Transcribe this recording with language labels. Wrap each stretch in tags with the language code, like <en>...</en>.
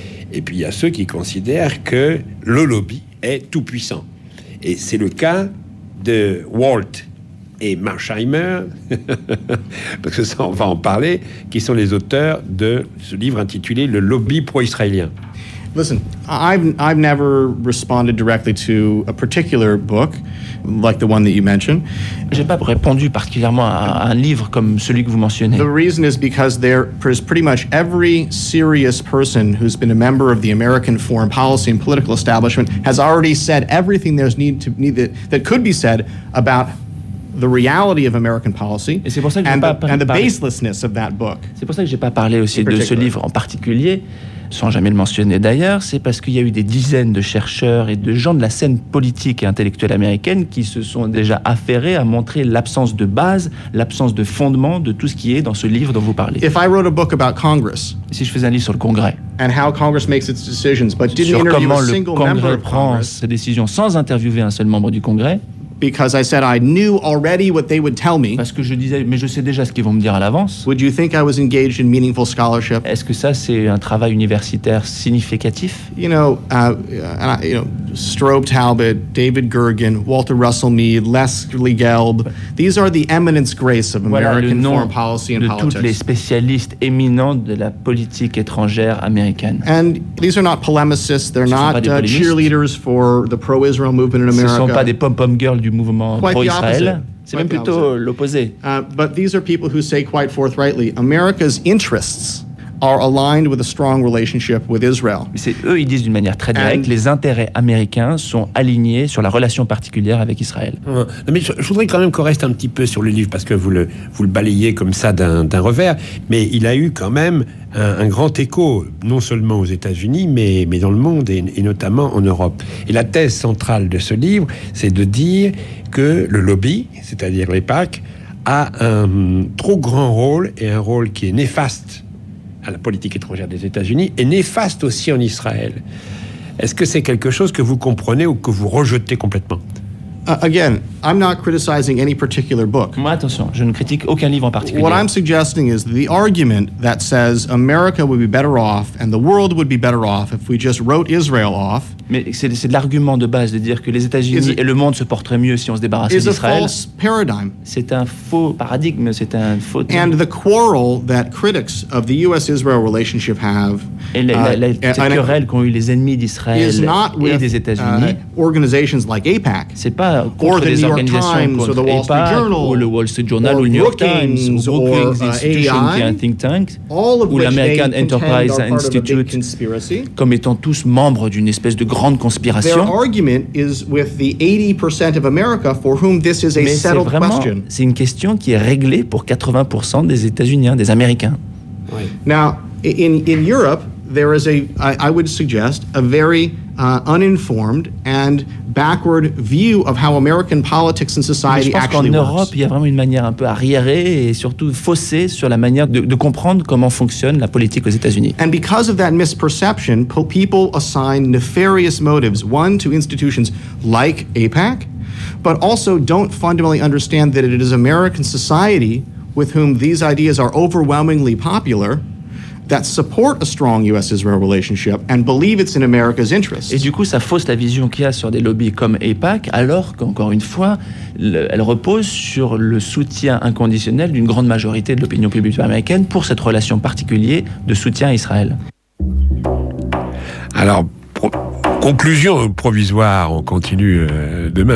<fr>Et puis il y a ceux qui considèrent que le lobby est tout puissant. Et c'est le cas de Walt et Mersheimer, parce que ça, on va en parler, qui sont les auteurs de ce livre intitulé « Le lobby pro-israélien ».</fr> <en>Listen, I've never responded directly to a particular book, like the one that you mentioned.</en> <fr>J'ai pas répondu particulièrement à un livre comme celui que vous mentionnez.</fr> <en>The reason is because there is pretty much every serious person who's been a member of the American foreign policy and political establishment has already said everything there's that could be said about the reality of American policy and the baselessness of that book.</en> <fr>C'est pour ça que j'ai pas parlé aussi de ce livre en particulier. Sans jamais le mentionner d'ailleurs, c'est parce qu'il y a eu des dizaines de chercheurs et de gens de la scène politique et intellectuelle américaine qui se sont déjà affairés à montrer l'absence de base, l'absence de fondement de tout ce qui est dans ce livre dont vous parlez.</fr> <en>If I wrote a book about Congress,</en> <fr>si je faisais un livre sur le Congrès,</fr> <en>and how Congress makes its decisions, but didn't</en> <fr>sur comment</fr> <en>interview</en> <fr>le Congrès prend</fr> <en>Congress,</en> <fr>ses décisions sans interviewer un seul membre du Congrès,</fr> <en>because I said I knew already what they would tell me.</en> <fr>Parce que je disais, mais je sais déjà ce qu'ils vont me dire à l'avance.</fr> <en>Would you think I was engaged in meaningful scholarship?</en> <fr>Est-ce que ça c'est un travail universitaire significatif?</fr> <en>You know, Strobe Talbott, David Gergen, Walter Russell Mead, Les Gelb. These are the eminence grace of American</en> <fr>voilà,</fr> <en>foreign policy and politics.</en> <fr>De tous les spécialistes éminents de la politique étrangère américaine.</fr> <en>And these are not polemicists. They're</en> <fr>ce</fr> <en>not cheerleaders for the pro-Israel movement in America.</en> <fr>Ce sont pas des pom-pom girls du mouvement pro-Israël. C'est même plutôt l'opposé.</fr> <en>But these are people who say quite forthrightly, America's interests are aligned with a strong relationship with Israel.</en> <fr>Mais c'est eux, ils disent d'une manière très directe, les intérêts américains sont alignés sur la relation particulière avec Israël. Ouais. Mais je voudrais quand même qu'on reste un petit peu sur le livre, parce que vous le balayez comme ça d'un revers, mais il a eu quand même un grand écho, non seulement aux États-Unis, mais dans le monde, et notamment en Europe. Et la thèse centrale de ce livre, c'est de dire que le lobby, c'est-à-dire les PAC, a un trop grand rôle, et un rôle qui est néfaste à la politique étrangère des États-Unis, et néfaste aussi en Israël. Est-ce que c'est quelque chose que vous comprenez ou que vous rejetez complètement ?</fr> <en>Again, I'm not criticizing any particular book.</en> <fr>Moi, attention, je ne critique aucun livre en particulier.</fr> <en>What I'm suggesting is the argument that says America would be better off and the world would be better off if we just wrote Israel off.</en> <fr>Mais c'est l'argument de base de dire que les États-Unis et le monde se porteraient mieux si on se débarrassait d'Israël.</fr> <en>It's a false paradigm.</en> <fr>C'est un faux paradigme, c'est un faux.</fr> <en>And the quarrel that critics of the U.S.-Israel relationship have.</en> <fr>Et la querelle qu'ont eu les ennemis d'Israël et des États-Unis.</fr> <en>Organizations like AIPAC.</en> <fr>C'est pas contre des organisations comme AIPAC ou le Wall Street Journal ou le New York Times ou Brookings Institution qui est un think tank ou l'American Enterprise Institute comme étant tous membres d'une espèce de grande conspiration.</fr> <en>Their argument is with the 80% of America for whom this is a settled question.</en> <fr>C'est une question qui est réglée pour 80% des États-Unis, des Américains.</fr> <en>Right. Now, in Europe, there is I would suggest a very uninformed and backward view of how American politics and society actually works.</en> <fr>En Europe, il y a vraiment une manière un peu arriérée et surtout faussée sur la manière de comprendre comment fonctionne la politique aux États-Unis.</fr> <en>And because of that misperception, people assign nefarious motives, one to institutions like AIPAC, but also don't fundamentally understand that it is American society with whom these ideas are overwhelmingly popular that support a strong U.S.-Israel relationship and believe it's in America's interest.</en> <fr>Et du coup, ça fausse la vision qu'il y a sur des lobbies comme AIPAC, alors qu'encore une fois, elle repose sur le soutien inconditionnel d'une grande majorité de l'opinion publique américaine pour cette relation particulière de soutien à Israël. Alors, conclusion provisoire, on continue demain.</fr>